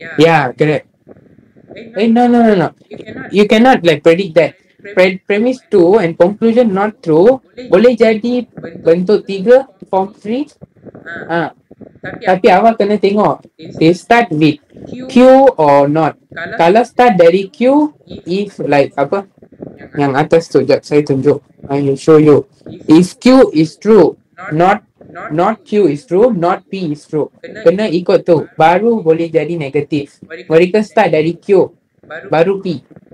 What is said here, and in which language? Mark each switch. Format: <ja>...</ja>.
<en>Yeah, correct. Wait, no. You cannot like predict that. Premise 2 and conclusion not true,</en> <ms>boleh jadi bentuk 3,</ms> <en>form 3.</en> <ms>Tapi awak kena tengok,</ms> <en>they start with Q or not.</en> <ms>Kalau start dari Q,</ms> <en>if like</en> <ms>apa, yang atas tu, jap saya tunjuk.</ms> <en>I will show you. If Q is true, not Q is true, not P is true.</en> <ms>Kena ikut tu, baru boleh jadi negatif. Mereka start dari Q, baru P.</ms>